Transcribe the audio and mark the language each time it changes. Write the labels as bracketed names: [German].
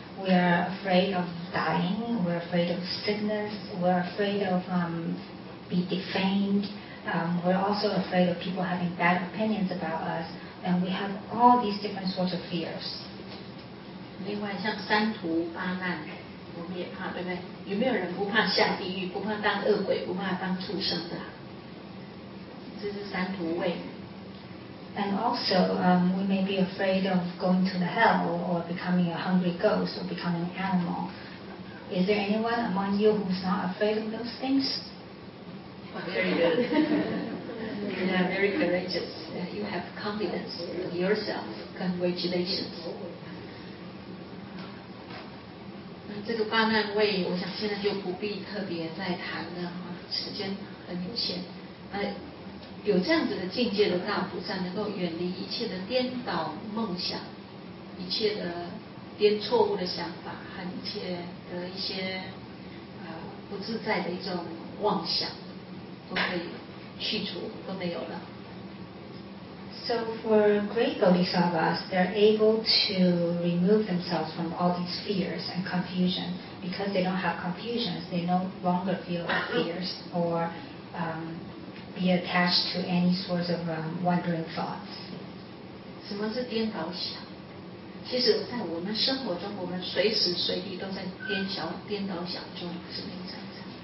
[English] We are afraid of dying, we are afraid of sickness, we are afraid of being defamed, we are also afraid of people having bad opinions about us, and we have all these different sorts of fears. [Chinese] 另外像三途八难我们也怕，对不对？有没有人不怕下地狱，不怕当恶鬼，不怕当畜生的？这是三途畏。 [English] And also, we may be afraid of going to the hell or becoming a hungry ghost or becoming an animal. Is there anyone among you who's not afraid of those things? Very good. You are very courageous. You have confidence in yourself. Congratulations. [Chinese] 这个八难位我想现在就不必特别再谈了，时间很有限。有这样子的境界的大菩萨能够远离一切的颠倒梦想，一切的颠错误的想法和一切的一些不自在的一种妄想都可以去除，都没有了。 [English] So for great bodhisattvas, they're able to remove themselves from all these fears and confusion. Because they don't have confusions, they no longer feel fears or be attached to any sorts of wandering thoughts. [Chinese] 什么是颠倒想？其实在我们生活中，我们随时随地都在颠倒想中，是没在的。